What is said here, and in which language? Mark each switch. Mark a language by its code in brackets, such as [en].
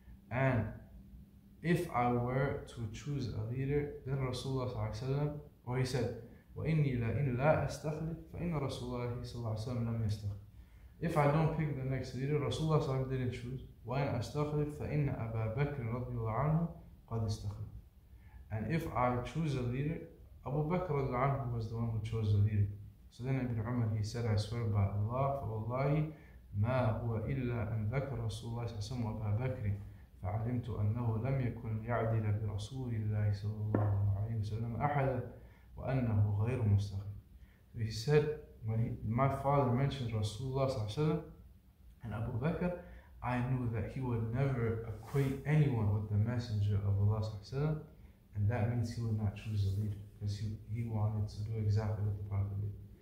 [en] And if I were to choose a leader, then Rasulullah sallallahu alayhi wa sallam, or he said, [ar] وَإِنِّي لَإِنْ لَا أَسْتَخْلِفْ فَإِنَّ رَسُولَ اللَّهِ صَلَّى اللَّهُ عَلَيْهِ وَسَلَّمَ لَمْ يَسْتَخْلِفْ. [en] If I don't pick the next leader, Rasulullah صلى الله عليه وسلم didn't choose. [ar] وَإِنْ أَسْتَخْلِفْ فَإِنَّ أَبَا بَكْرٍ رَضِيَ اللَّهُ عَنْهُ قَدْ اسْتَخْلِفْ. [en] And if I choose a leader, Abu Bakr رضي الله عنه was the one who chose the leader. So then Ibn Umar, he said, I swear by Allah, [ar] فَوَاللَّهِ مَا هُوَ إِلَّا أَنْ ذَكَرَ رَسُولَ اللَّهِ صلى الله عليه وسلم وَأَبَا بَكْرٍ فَعَلِمْتُ أَنَّهُ لَمْ يَكُنْ يَعْدِلَ بِرَسُولِ اللَّهِ صلى الله عليه وسلم أَحَدًا وَأَنَّهُ غَيْرُ مُسْتَخْلِفٍ. [en] So he said, when my father mentioned Rasulullah and Abu Bakr, I knew that he would never acquaint anyone with the Messenger of Allah, and that means he would not choose a leader, because he wanted to do exactly what the Prophet did.